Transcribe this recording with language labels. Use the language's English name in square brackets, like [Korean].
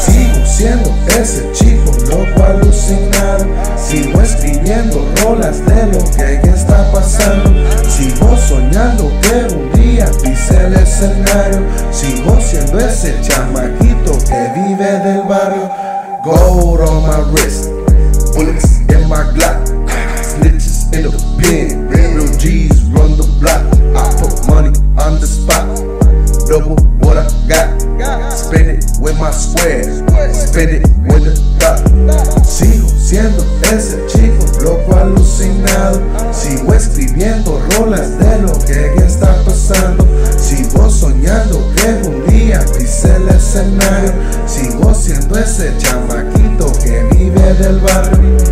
[Spanish] Sigo siendo ese chico loco alucinado. Sigo escribiendo rolas de lo que está pasando. Sigo soñando que un día pise el escenario. Sigo siendo ese chamaquito que vive del barrio. [English] Gold on my wrist, bullets in my glock, snitches in the pen, real G's run the block. I put money on the spot, double what I got. Spend it with my squares, spend it with the dot. [Spanish] Sigo siendo ese chico loco alucinado. Sigo escribiendo rolas de lo que está pasando. Sigo soñando que un día pise el escenario. Sigo siendo ese chamaquito que vive del barrio.